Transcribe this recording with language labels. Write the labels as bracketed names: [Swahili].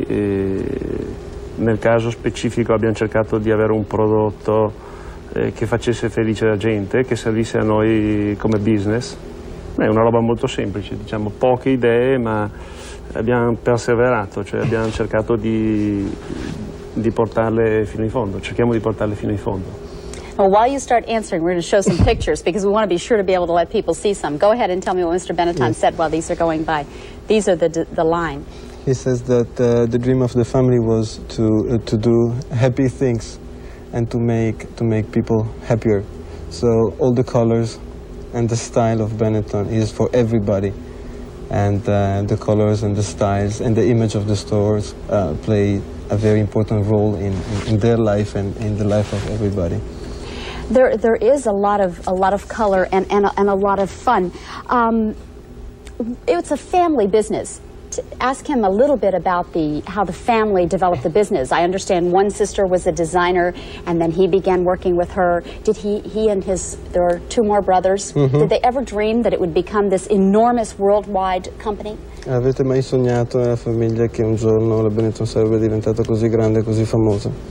[Italian] E nel caso specifico abbiamo cercato di avere un prodotto che facesse felice la gente, che servisse a noi come business. È una roba molto semplice, diciamo, poche idee, ma abbiamo perseverato, cioè abbiamo cercato di portarle fino in fondo, cerchiamo di portarle fino in fondo. [English] Well, while you start answering, we're going to show some pictures because we want to be sure to be able to let people see some. Go ahead and tell me what Mr. Benetton said while these are going by. These are the line. He says that the dream of the family was to do happy things and to make people happier. So all the colors and the style of Benetton is for everybody. And the colors and the styles and the image of the stores play a very important role in their life and in the life of everybody. There is a lot of color and a lot of fun. It's a family business. Ask him a little bit about how the family developed the business. I understand one sister was a designer, and then he began working with her. Did he and his, there are two more brothers, mm-hmm. did they ever dream that it would become this enormous worldwide company? [Italian] Avete mai sognato nella famiglia che un giorno la Benetton sarebbe diventata così grande, così famosa?